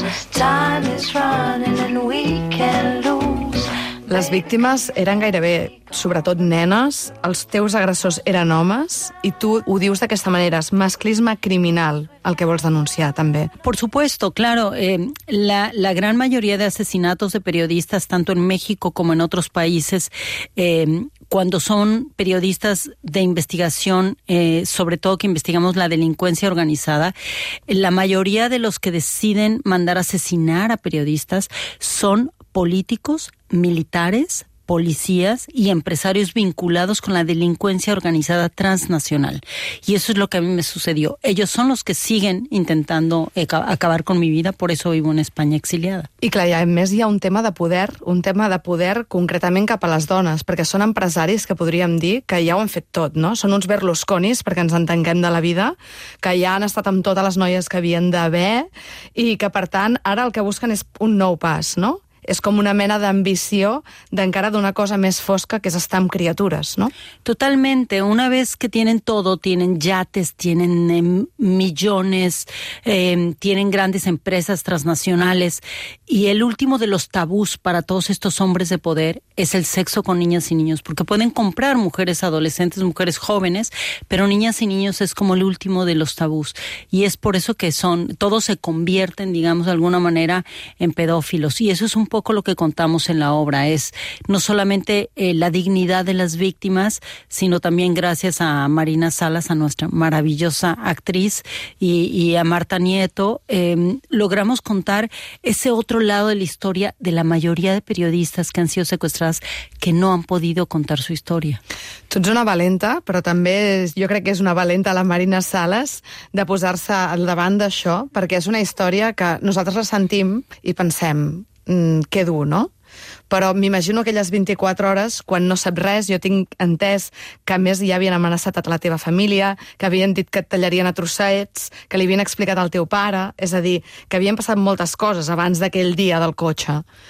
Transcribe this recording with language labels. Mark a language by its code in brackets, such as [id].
[en] time is running and we can lose. [ca] Les víctimes eren gairebé, sobretot, nenes, els teus agressors eren homes, i tu ho dius d'aquesta manera, és masclisme criminal el que vols denunciar, també. [es] Por supuesto, claro, la gran mayoría de asesinatos de periodistas, tanto en México como en otros países, cuando son periodistas de investigación, sobre todo que investigamos la delincuencia organizada, la mayoría de los que deciden mandar asesinar a periodistas son políticos, militares, policías y empresarios vinculados con la delincuencia organizada transnacional. Y eso es lo que a mí me sucedió. Ellos son los que siguen intentando acabar con mi vida, por eso vivo en España exiliada. [ca] I clar, a més hi ha un tema de poder concretament cap a les dones, perquè són empresaris que podríem dir que ja ho han fet tot, no? Són uns berlusconis, perquè ens entenguem de la vida, que ja han estat amb totes les noies que havien d'haver i que, per tant, ara el que busquen és un nou pas, no? És com una mena d'ambició d'encara d'una cosa més fosca, que és estar amb criatures, no? [es] Totalmente. Una vez que tienen todo, tienen yates, tienen millones, tienen grandes empresas transnacionales, y el último de los tabús para todos estos hombres de poder es el sexo con niñas y niños, porque pueden comprar mujeres adolescentes, mujeres jóvenes, pero niñas y niños es como el último de los tabús. Y es por eso que son, todos se convierten, digamos, de alguna manera en pedófilos. Y eso es un poco lo que contamos en la obra, es no solamente la dignidad de las víctimas, sino también gracias a Marina Salas, a nuestra maravillosa actriz, y a Marta Nieto, logramos contar ese otro lado de la historia de la mayoría de periodistas que han sido secuestradas, que no han podido contar su historia. [ca] Tu ets una valenta, però també jo crec que és una valenta la Marina Salas de posar-se al davant d'això, perquè és una història que nosaltres la sentim i pensem, que dur, no? Però m'imagino aquelles 24 hores, quan no saps res, jo tinc entès que a més ja havien amenaçat a la teva família, que havien dit que et tallarien a trossets, que li havien explicat al teu pare, és a dir, que havien passat moltes coses abans d'aquell dia del cotxe.